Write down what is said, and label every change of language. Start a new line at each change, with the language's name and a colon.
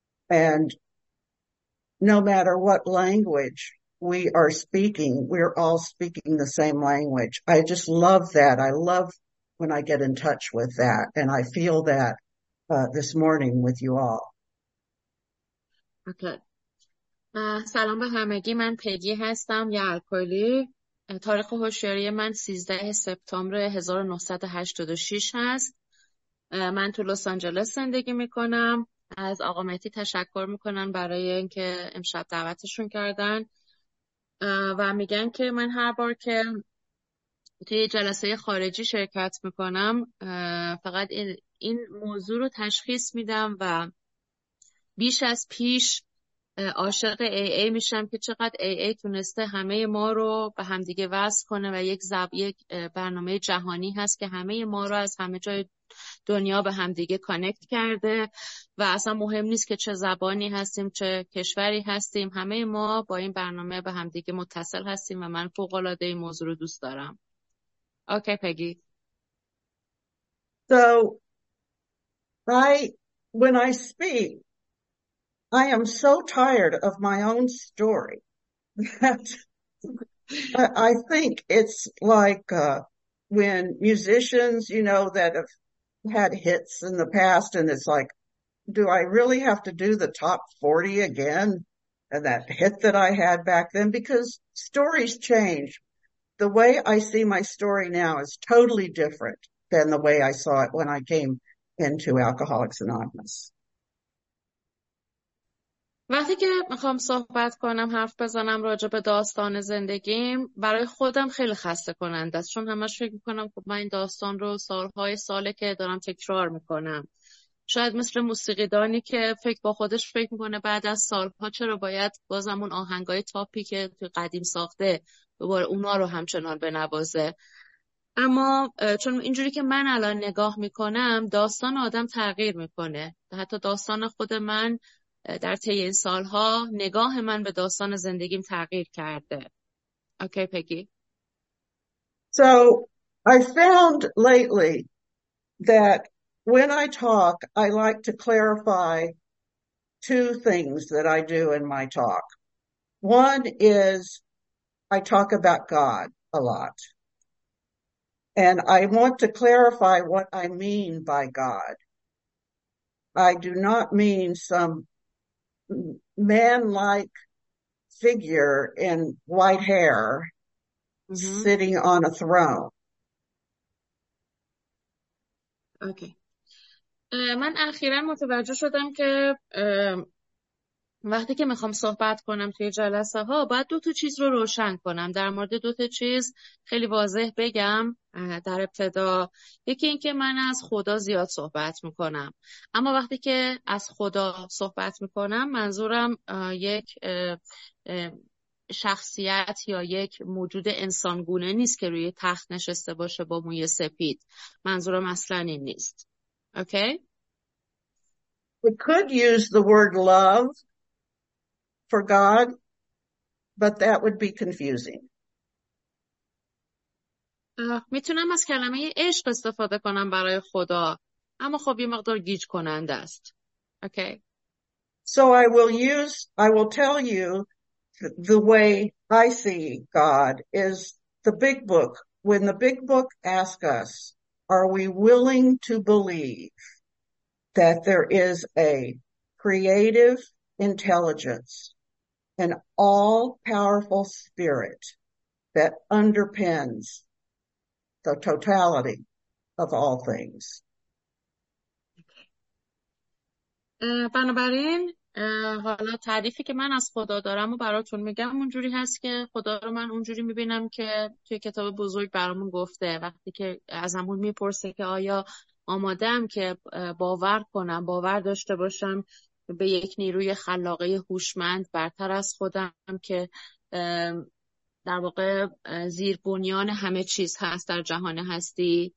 English: And no matter what language we are speaking, we're all speaking the same language. I just love that. I love when I get in touch with that. And I feel that this morning with you all. Okay.
Persian: سلام به همگی، من پگی هستم، یه الکلی. تاریخ هوشیاری من 13 سپتامبر 1986 هست. من تو لس آنجلس زندگی میکنم. از آقا مهدی تشکر میکنم برای اینکه امشب دعوتشون کردن. و میگن که من هر بار که توی جلسه خارجی شرکت میکنم فقط این موضوع رو تشخیص میدم و بیش از پیش عاشق AA میشم که چقدر AA تونسته همه ما رو به همدیگه وصل کنه و یک برنامه جهانی هست که همه ما رو از همه جای دنیا به همدیگه کانکت کرده و اصلا مهم نیست که چه زبانی هستیم، چه کشوری هستیم، همه ما با این برنامه به همدیگه متصل هستیم و من فوق‌العاده این موضوع رو دوست دارم. اوکی پگی.
English: So when I speak, I am so tired of my own story that I think it's like when musicians, you know, that have had hits in the past, and it's like, do I really have to do the top 40 again? And that hit that I had back then, because stories change. The way I see my story now is totally different than the way I saw it when I came into Alcoholics Anonymous.
Persian: وقتی که میخوام صحبت کنم، حرف بزنم راجع به داستان زندگیم، برای خودم خیلی خسته کننده است، چون همش فکر میکنم خب من این داستان رو سالهای ساله که دارم تکرار میکنم. شاید مثل موسیقیدانی که فکر با خودش فکر میکنه بعد از سالها چرا باید بازم اون آهنگای تاپی که توی قدیم ساخته دوباره اونا رو همچنان بنوازه. اما چون اینجوری که من الان نگاه میکنم، داستان آدم تغییر میکنه. حتی داستان خود من در طی این سالها، نگاه من به داستان زندگیم تغییر کرده. اوکی پگی.
English: So I found lately that when I talk, I like to clarify two things that I do in my talk. One is I talk about God a lot. And I want to clarify what I mean by God. I do not mean some man-like figure in white hair sitting on a throne. Okay.
Persian: من اخیرا متوجه شدم که وقتی که میخوام صحبت کنم توی جلسه ها، باید دو تا چیز رو روشن کنم. در مورد دو تا چیز خیلی واضح بگم در ابتدا. یکی این که من از خدا زیاد صحبت میکنم، اما وقتی که از خدا صحبت میکنم، منظورم یک شخصیت یا یک موجود انسانگونه نیست که روی تخت نشسته باشه با موی سپید. منظورم اصلا این نیست. اوکی؟
English: We could use the word love. for God, but that would be confusing.
Persian: میتونم از کلمه عشق استفاده کنم برای خدا، اما خب یه مقدار گیج کننده است. اوکی.
English: So I will tell you the way I see God is the big book. When the big book asks us, are we willing to believe that there is a creative intelligence, an all-powerful spirit that underpins the totality of all things?
Persian: بنابراین حالا تعریفی که من از خدا دارم و براتون میگم اونجوری هست که خدا رو من اونجوری میبینم که توی کتاب بزرگ برامون گفته، وقتی که از همون میپرسه که آیا آمادم که باور کنم، باور داشته باشم به یک نیروی خلاقه هوشمند برتر از خودم که در واقع زیر بنیان همه چیز هست در جهان هستی.